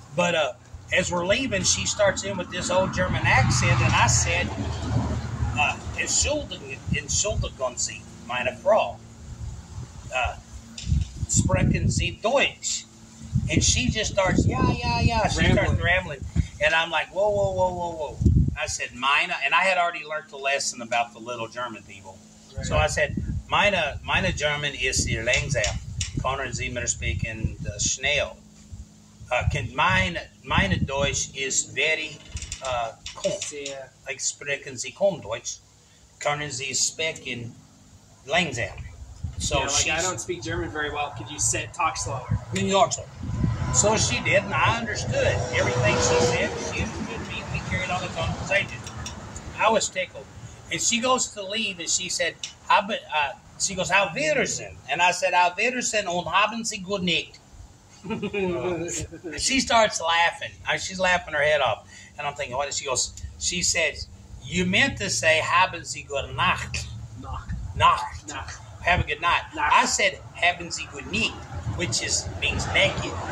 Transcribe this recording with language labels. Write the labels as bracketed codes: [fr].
[en] But as we're leaving, she starts in with this old German accent, and I said, [de] Entschuldigung Sie, meine Frau. Sprechen Sie Deutsch? [en] And she just starts, yeah. She starts rambling. And I'm like, whoa. I said, Meine, and I had already learned the lesson about the little German people. Right. So I said, [de] Meine German ist sehr langsam. Können Sie mir sprechen schnell? Meine Deutsch ist very kaum. Like, sprechen Sie kaum Deutsch? Können Sie sprechen langsam? [en] So yeah, like, I don't speak German very well. Could you talk slower? In York, so she did, and I understood everything she said. She understood me. We carried on the conversation. I was tickled. And she goes to leave, and she said, she goes, [de] Auf Wiedersehen. [en] And I said, [de] Auf Wiedersehen und haben Sie gute Nacht. [en] She starts laughing. She's laughing her head off. And I'm thinking, what? And she goes, she says, you meant to say, [de] haben Sie gute Nacht. Nacht. [en] Have a good night. I said, [de] haben Sie gute Nacht, [en] which means naked.